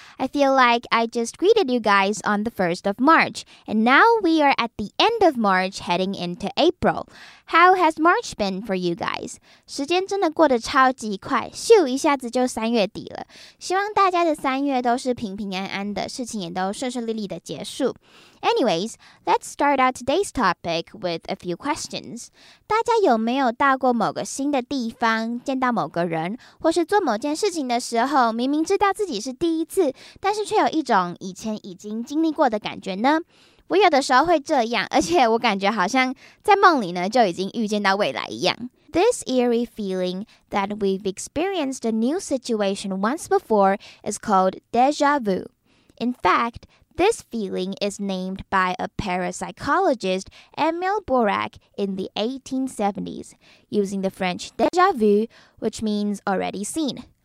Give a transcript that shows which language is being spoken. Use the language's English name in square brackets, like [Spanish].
[English] I feel like I just greeted you guys on the 1st of March, and now we are at the end of March, heading into April. How has March been for you guys? [Chinese] 时间真的过得超级快，咻一下子就三月底了。希望大家的三月都是平平安安的，事情也都顺顺利利的结束。 [English] Anyways, let's start out today's topic with a few questions. [Chinese] 大家有没有到过某个新的地方，见到某个人，或是做某件事情的时候，明明知道自己是第一次，但是却有一种以前已经经历过的感觉呢？我有的时候会这样，而且我感觉好像在梦里呢，就已经预见到未来一样。 [English] This eerie feeling that we've experienced a new situation once before is called déjà vu. In fact, this feeling is named by a parapsychologist, Emil Borac, in the 1870s, using the French déjà vu, which means already seen.